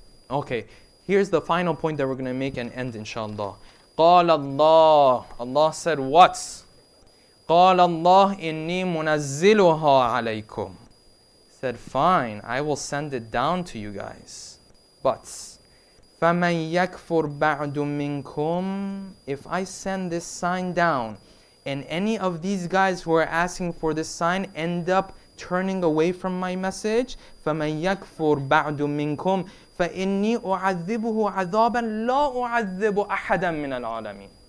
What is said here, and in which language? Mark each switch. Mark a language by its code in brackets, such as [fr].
[en] Okay, here's the final point that we're going to make and end, inshallah. [ar] قَالَ اللَّهُ. [en] Allah said what? [ar] قَالَ اللَّهُ إِنِّي مُنَزِّلُهَا عَلَيْكُمْ. [en] Said, "Fine, I will send it down to you guys. [ar] But فَمَنْ يَكْفُرْ بَعْدُ مِنْكُمْ. [en] If I send this sign down, and any of these guys who are asking for this sign end up turning away from my message, [ar] فَمَنْ يَكْفُرْ بَعْدُ مِنْكُمْ فَإِنِّي أُعَذِّبُهُ عَذَابًا لَا أُعَذِّبُ أَحَدًا مِنَ الْعَالَمِينَ.